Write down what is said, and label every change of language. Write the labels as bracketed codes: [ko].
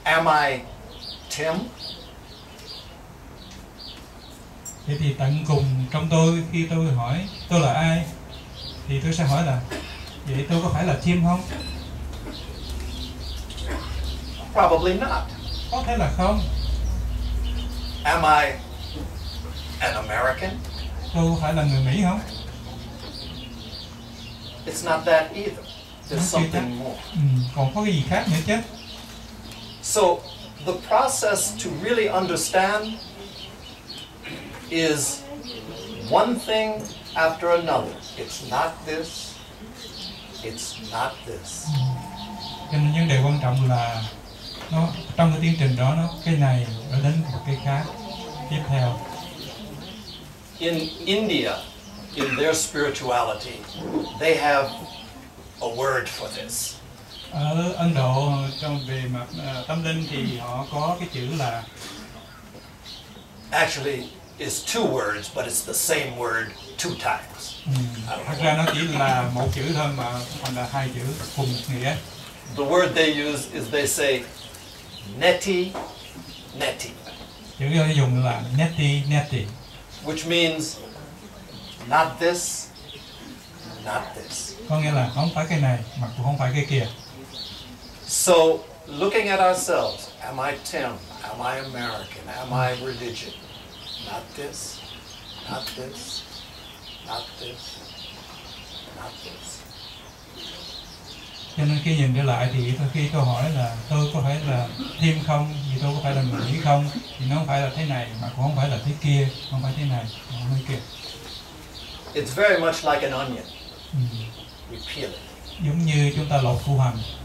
[en] Am I Tim? [vi] Thế thì tận cùng trong tôi, khi tôi hỏi tôi là ai, thì tôi sẽ hỏi là vậy tôi có phải là Tim không? [en] Probably not. [vi] Có thể là không. [en] Am I an American? [vi] Tôi phải là người Mỹ không? [en] It's not that either. There's something more. [vi] Còn có cái gì khác nữa chứ? [en] So, the process to really understand is one thing after another. It's not this. It's not this. [vi] Cho nên vấn đề quan trọng là nó trong cái tiến trình đó, nó cái này nó đến cái khác tiếp theo. [en] In India, in their spirituality, they have a word for this. [vi] Ở Ấn Độ, trong về mặt tâm linh thì họ có cái chữ là, [en] actually is two words, but it's the same word two times. [vi] Thật ra nó chỉ là một chữ thôi mà còn là hai chữ cùng một nghĩa. [en] The word they use is they say neti neti. [vi] Chữ họ dùng là neti neti, [en] which means not this, not this. [vi] Có nghĩa là không phải cái này mà cũng không phải cái kia. [en] So looking at ourselves, am I Tim? Am I American? Am I religion? Not this, not this, not this, not this. [vi] Cho nên khi nhìn trở lại thì khi tôi hỏi là tôi có phải là Thiên không, thì tôi có phải là Mỹ không, thì nó không phải là thế này mà cũng không phải là thế kia, không phải thế này, không phải kia. [en] It's very much like an onion. We peel it. [vi] Giống như chúng ta lột củ hành.